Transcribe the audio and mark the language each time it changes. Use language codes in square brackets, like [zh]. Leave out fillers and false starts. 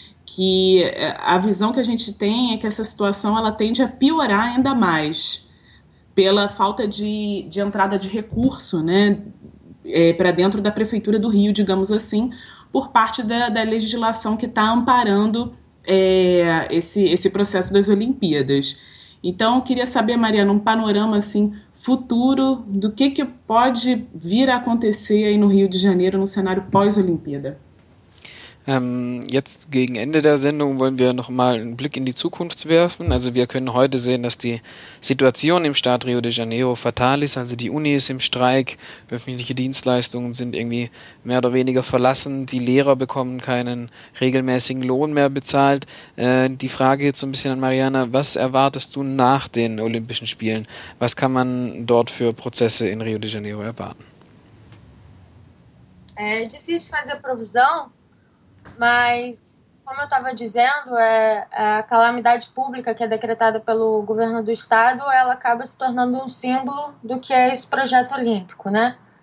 [pt] Que a visão que a gente tem é que essa situação ela tende a piorar ainda mais pela falta de entrada de recurso, né, para dentro da Prefeitura do Rio, digamos assim, por parte da legislação que está amparando esse processo das Olimpíadas. Então, eu queria saber, Mariana, um panorama assim, futuro do que pode vir a acontecer aí no Rio de Janeiro no cenário pós-Olimpíada. [de] Jetzt gegen Ende der Sendung wollen wir nochmal einen Blick in die Zukunft werfen. Also wir können heute sehen, dass die Situation im Staat Rio de Janeiro fatal ist. Also die Uni ist im Streik, öffentliche Dienstleistungen sind irgendwie mehr oder weniger verlassen, die Lehrer bekommen keinen regelmäßigen Lohn mehr bezahlt. Die Frage jetzt so ein bisschen an Mariana, was erwartest du nach den Olympischen Spielen? Was kann man dort für Prozesse in Rio de Janeiro erwarten? [pt] Difícil fazer provisão. Mas, como eu estava dizendo, a calamidade pública que é decretada pelo governo do estado, ela acaba se tornando um símbolo do que é esse projeto olímpico, né?